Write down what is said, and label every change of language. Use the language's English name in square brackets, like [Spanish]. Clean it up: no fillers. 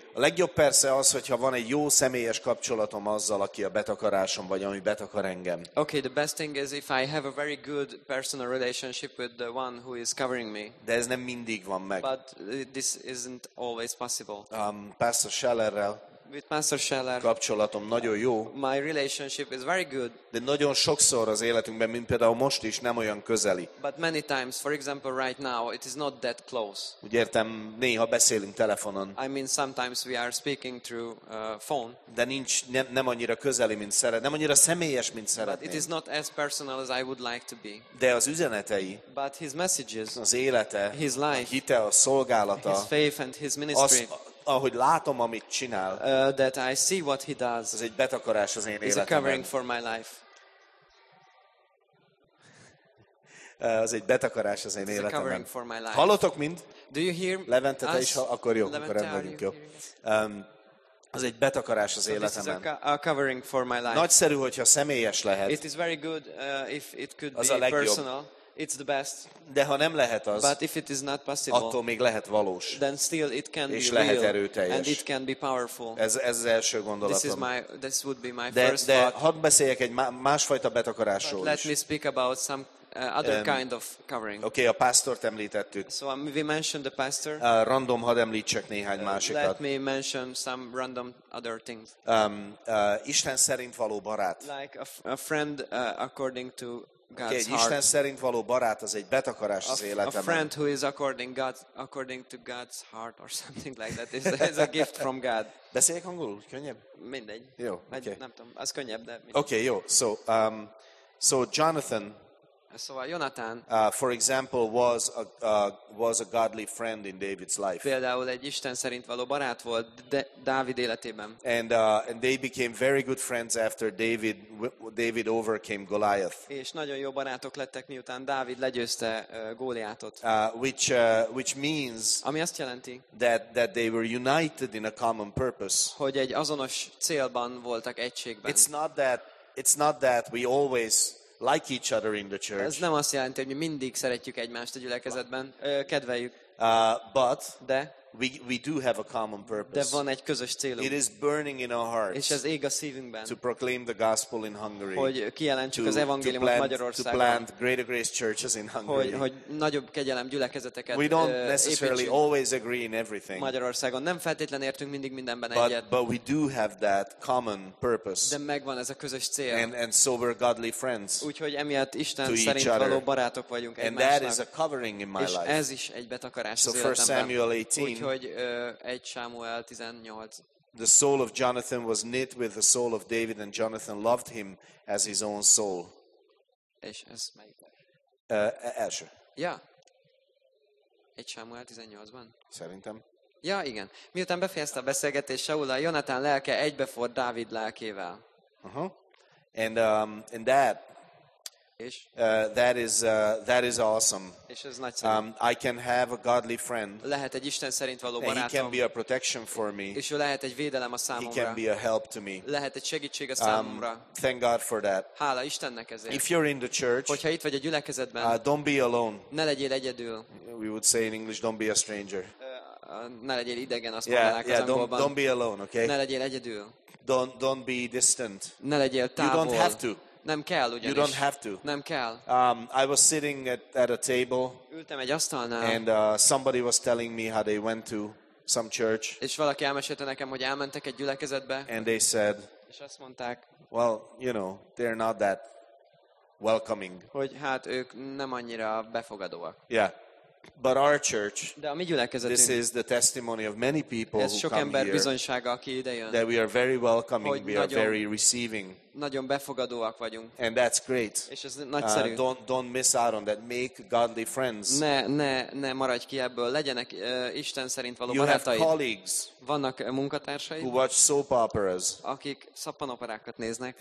[Hungarian] A legjobb persze az, hogyha van egy jó személyes kapcsolatom azzal, aki a betakarásom vagy ami betakar engem. [English] Okay, the best thing is if I have a very good personal relationship with the one who is covering me. [Hungarian] De ez nem mindig van meg. [English] But this isn't always possible. [Hungarian] Pastor Schellerrel. [English] With Pastor Scheller. [Hungarian] Kapcsolatom nagyon jó. [English] My relationship is very good. [Hungarian] De nagyon sokszor az életünkben, mint például most is, nem olyan közeli. [English] But many times, for example right now, it is not that close. [Hungarian] Úgy értem, néha beszélünk telefonon. [English] I mean sometimes we are speaking through phone. [Hungarian] De nincs nem annyira közeli, mint szeretném. Nem annyira személyes, mint szeretném. [English] It is not as personal as I would like to be. [Hungarian] De az üzenetei. [English] But his messages. [Hungarian] Az élete. [English] His life. [Hungarian] A hite, a szolgálata. [English] His faith and his ministry. [Hungarian] Ahogy látom, amit csinál, [English] that I see what he does, [Hungarian] az egy betakarás az én életemben. [English] Is a covering for my life. [Hungarian] Az egy betakarás az én [English] is [Hungarian] életemben. [English] A covering for my life. [Hungarian] Hallottok mind? [English] Do you hear [Hungarian] Levente, [English] us? [Hungarian] Is, akkor jó, akkor rendben vagyunk, jó. Az egy betakarás az [English] so [Hungarian] életemben. [English] A covering for my life. [Hungarian] Nagyszerű, hogyha személyes lehet. [English] It is very good if it could [Hungarian] az [English] be personal. Personal. It's the best. [Hungarian] De ha nem lehet az, [English] but if it is not possible, [Hungarian] attól még lehet valós. [English] Then still it can [Hungarian] és [English] be [Hungarian] lehet [English] real, [Hungarian] erőteljes. [English] And it can be powerful. [Hungarian] Ez az első gondolatom. [English] This would be my [Hungarian] de, [English] first [Hungarian] de [English] thought. [Hungarian] Hadd beszéljek egy másfajta betakarásról [English] but let [Hungarian] is. [English] Let me speak about some other kind of covering. [Hungarian] Okay, a pastort említettük. [English] So we mentioned the pastor. [Hungarian] Random, hadd említsek néhány másikat. [English] Let me mention some random other things. [Hungarian] Isten szerint való barát. [English] Like a friend according to [Hungarian] okay, egy Isten szerint való barát az egy betakarás az életemben. [English] A friend who is according God, according to God's heart or something like that is a gift from God. [Hungarian] Beszéljek angolul, könnyebb? Mindegy. Jó, okay. Nem tudom, az könnyebb, de mindegy. Okay, jó. So Jonathan. [English] So Jonathan. For example, was a godly friend in David's life. [Hungarian] Például egy Isten szerint való barát volt Dávid életében. [English] And they became very good friends after David overcame Goliath. [Hungarian] És nagyon jó barátok lettek miután Dávid legyőzte Góliátot. [English] Which means. [Hungarian] Ami azt jelenti. [English] That they were united in a common purpose. [Hungarian] Hogy egy azonos célban voltak egységben. [English] It's not that we always like each other in the church. [Hungarian] Ez nem azt jelenti, hogy mi mindig szeretjük egymást a gyülekezetben, kedveljük. [English] But [Hungarian] de [English] we do have a common purpose. [Hungarian] De van egy közös célunk. [English] It is burning in our hearts. [Hungarian] És ez ég a szívünkben. [English] To proclaim the gospel in Hungary. [Hungarian] Hogy kijelentsük az evangéliumot Magyarországon. [English] To plant greater grace churches in Hungary. [Hungarian] Hogy nagyobb kegyelem gyülekezeteket. [English] We don't necessarily always agree in everything. [Hungarian] Magyarországon nem feltétlenül értünk mindig mindenben [English] but, [Hungarian] egyet. [English] But we do have that common purpose. [Hungarian] De megvan ez a közös cél. [English] And so we're godly friends. [Hungarian] Úgyhogy emiatt Isten szerint való barátok vagyunk egymásnak. [English] And that is a covering in my life. [Hungarian] És ez is egy betakarás [English] so [Hungarian] az életemben. [English] So 1 Samuel 18. [Hungarian] Úgyhogy 1 Sámuel 18. [English] The soul of Jonathan was knit with the soul of David, and Jonathan loved him as his own soul. [Hungarian] És ez melyik? Első. Ja. 1 Sámuel 18-ban. Szerintem. Ja, igen. Miután befejezte a beszélgetést Saul-lal, Jonathan lelke egybefordult Dávid lelkével. [English] Uh-huh. And that. That is awesome. [Hungarian] És ez nagyszerű. [English] I can have a godly friend. [Hungarian] Lehet egy Isten szerint való barátom. [English] And he can be a protection for me. [Hungarian] És ő lehet egy védelem a számomra. [English] He can be a help to me. [Hungarian] Lehet egy segítség a számomra. [English] Thank God for that. [Hungarian] Hála Istennek ezért. [English] If you're in the church, [Hungarian] hogyha itt vagy a gyülekezetben, [English] don't be alone. [Hungarian] Ne legyél egyedül. [English] We would say in English, don't be a stranger. [Hungarian] Ne legyél idegen, azt mondanák az angolban. [English] Don't be alone, okay? [Hungarian] Ne legyél egyedül. [English] Don't be distant. [Hungarian] Ne legyél távol. [English] You don't have to. [Hungarian] Nem kell, ugyanis. [English] You don't have to. [Hungarian] Nem kell. [English] I was sitting at a table. [Hungarian] Ültem egy asztalnál. [English] And somebody was telling me how they went to some church. [Hungarian] És valaki elmesélte nekem, hogy elmentek egy gyülekezetbe. [English] And they said. [Hungarian] És azt mondták. [English] well, you know, they're not that welcoming. [Hungarian] Hogy hát ők nem annyira befogadóak. [English] Yeah. But our church, [Hungarian] de a mi gyülekezetünk, [English] this is the testimony of many people who come [Hungarian] ember here, bizonysága, aki idejön, [English] that we are very welcoming, we are very receiving. [Hungarian] Nagyon befogadóak vagyunk. [English] And that's great. [Hungarian] És ez nagyszerű. [English] Don't miss out on that. Make godly friends. [Hungarian] Ne maradj ki ebből. Legyenek Isten szerint való [English] you [Hungarian] barátaid. [English] You have colleagues. [Hungarian] Vannak munkatársaid. [English] Who watch soap operas. [Hungarian] Akik szappanoperákat néznek.